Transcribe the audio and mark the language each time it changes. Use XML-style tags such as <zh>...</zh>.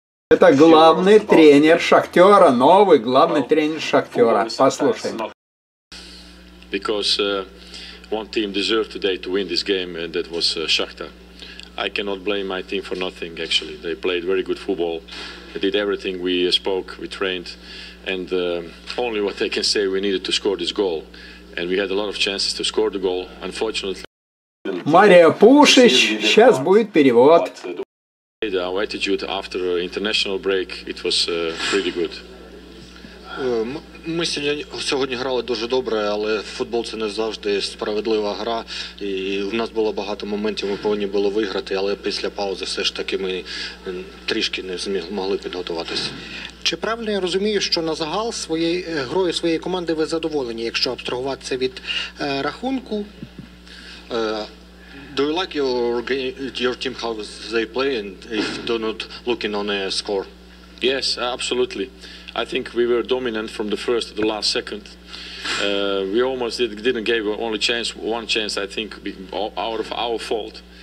<ru>Это главный тренер Шахтера, новый главный тренер Шахтера. Послушаем.</ru> <en>Because one team deserved today to win this game, and that was Shakhtar. I cannot blame my team for nothing. Actually, they played very good football. They did everything we spoke, we trained, and only what they can say, we needed to score this goal, and we had a lot of chances to score the goal. Unfortunately.</en> <ru>Мария Пушич, сейчас будет перевод.</ru> <en>Our attitude after international break, it was pretty good.</en> <uk>Ми сьогодні грали дуже добре, але футбол це не завжди справедлива гра. І в нас було багато моментів, ми повинні були виграти, але після паузи все ж таки ми трішки не змогли підготуватися. Чи правильно я розумію, що на загал своєю грою своєї команди ви задоволені, якщо абстрагуватися від рахунку?</uk> <en>Do you like your team how they play and if they're not looking on a score? Yes, absolutely. I think we were dominant from the first to the last second. We almost didn't give only chance, one chance, I think, out of our fault.</en>